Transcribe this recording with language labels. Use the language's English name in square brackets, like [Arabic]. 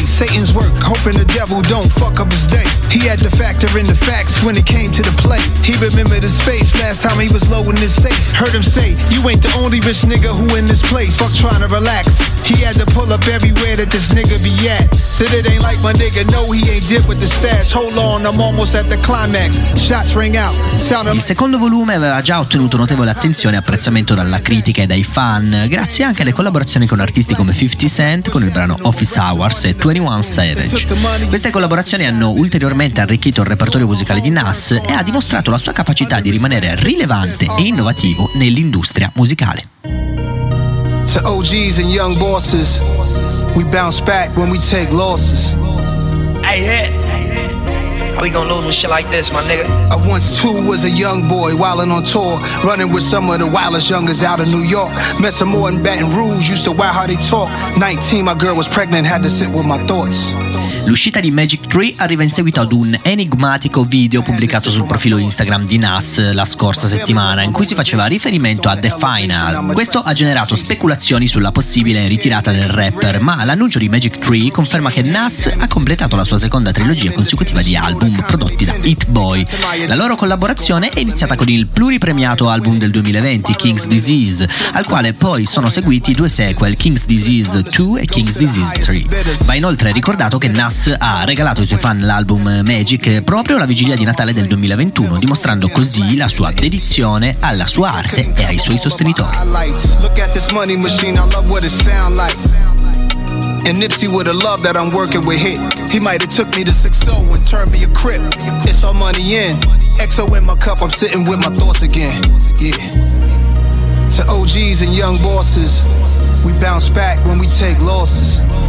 [English] Satan's work, hoping the devil don't fuck up his day. He had to factor in the facts when it came to the play. He remembered his face last time he was loading his safe. Heard him say, you ain't the only rich nigga who in this place. Fuck trying to relax. He had to pull up everywhere that this nigga be at. Said it ain't like my nigga, no he ain't dip with the stash. Hold on, I'm almost at the climax. Shots ring out. Sound him. [Italian] Il secondo volume aveva già ottenuto notevole attenzione e apprezzamento dalla critica e dai fan, grazie anche alle collaborazioni con artisti come 50 Cent con il brano Office Hours e 21 Savage. Queste collaborazioni hanno ulteriormente arricchito il repertorio musicale di Nas e ha dimostrato la sua capacità di rimanere rilevante e innovativo nell'industria musicale. [English] To OGs and young bosses, we bounce back when we take losses. Hey, hit. How we gonna lose with shit like this, my nigga? I once too was a young boy, wildin' on tour, running with some of the wildest youngers out of New York. Met some more in Baton Rouge, used to wild how they talk. 19, my girl was pregnant, had to sit with my thoughts. [Italian] L'uscita di Magic 3 arriva in seguito ad un enigmatico video pubblicato sul profilo Instagram di Nas la scorsa settimana, in cui si faceva riferimento a The Final. Questo ha generato speculazioni sulla possibile ritirata del rapper, ma l'annuncio di Magic 3 conferma che Nas ha completato la sua seconda trilogia consecutiva di album prodotti da Hit Boy. La loro collaborazione è iniziata con il pluripremiato album del 2020, King's Disease, al quale poi sono seguiti due sequel, King's Disease 2 e King's Disease 3. Va inoltre ricordato che Nas ha regalato ai suoi fan l'album Magic proprio la vigilia di Natale del 2021, dimostrando così la sua dedizione alla sua arte e ai suoi sostenitori. [English] Look at this money machine, I love what it sound like. And Nipsey would have loved that I'm working with Hit. He might have took me to 6-0 and turned me a crip. It's all money in. XO in my cup, I'm sitting with my thoughts again. Yeah. To OGs and young bosses, we bounce back when we take losses.